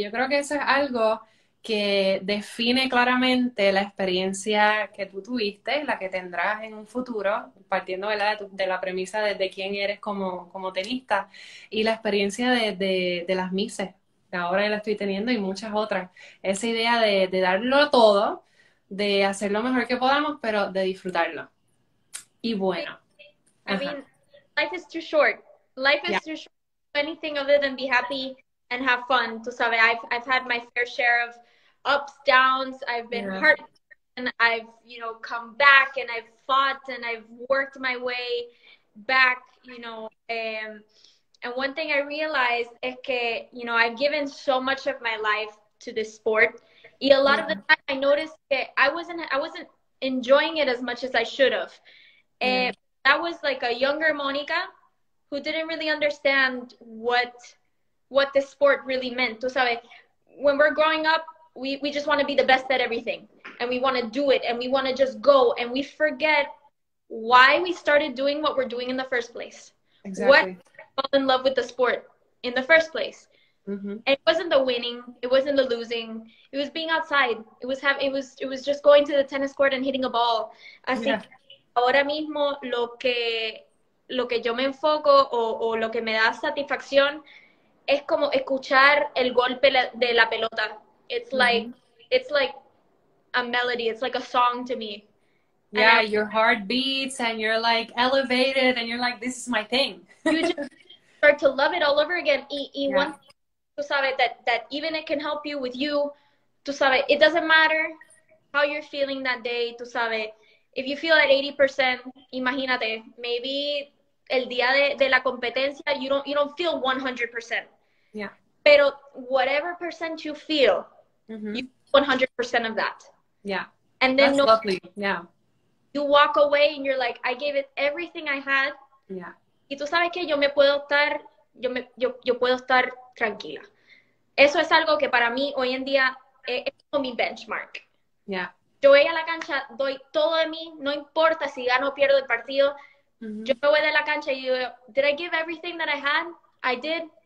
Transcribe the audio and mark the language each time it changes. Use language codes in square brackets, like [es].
[es] Yo creo que eso es algo que define claramente la experiencia que tú tuviste, la que tendrás en un futuro, partiendo de la premisa de quién eres como tenista y la experiencia de las mises. Ahora la estoy teniendo y muchas otras. Esa idea de darlo todo, de hacer lo mejor que podamos, pero de disfrutarlo. Y bueno, [en] I mean, ajá. life is too short. Life is too short to do anything other than be happy and have fun. [es] Tú sabes, [en] I've had my fair share of ups, downs. I've been heartbroken. I've come back and I've fought and I've worked my way back. And one thing I realized is [es] que [en] I've given so much of my life to this sport. Y a lot of the time I noticed that I wasn't enjoying it as much as I should have. That was like a younger Monica who didn't really understand what the sport really meant. [es] Tú sabes, [en] when we're growing up, we just want to be the best at everything and we want to do it and we want to just go and we forget why we started doing what we're doing in the first place. What fell in love with the sport in the first place? It wasn't the winning, it wasn't the losing. It was being outside. It was just going to the tennis court and hitting a ball. [es] Así que ahora mismo lo que yo me enfoco o lo que me da satisfacción es como escuchar el golpe de la pelota. [en] It's like a melody, it's like a song to me. And Yeah, your heart beats and you're like elevated and you're like, this is my thing. you just start to love it all over again. Y one thing, [es] tú sabes, [en] that even it can help you with you, tú sabes, it doesn't matter how you're feeling that day, tú sabes. If you feel at 80%, [es] imagínate, [en] maybe [es] el día de la competencia, [en] you don't feel 100%. [es] Pero [en] whatever percent you feel, you 100% of that. And then That's [es] no, [en] lovely. you walk away and you're like, I gave it everything I had. [es] Y tú sabes que yo puedo estar tranquila. Eso es algo que para mí hoy en día es como mi benchmark. Yo voy a la cancha, doy todo de mí, no importa si gano o pierdo el partido. Yo me voy de la cancha y digo, [en] did I give everything that I had? I did.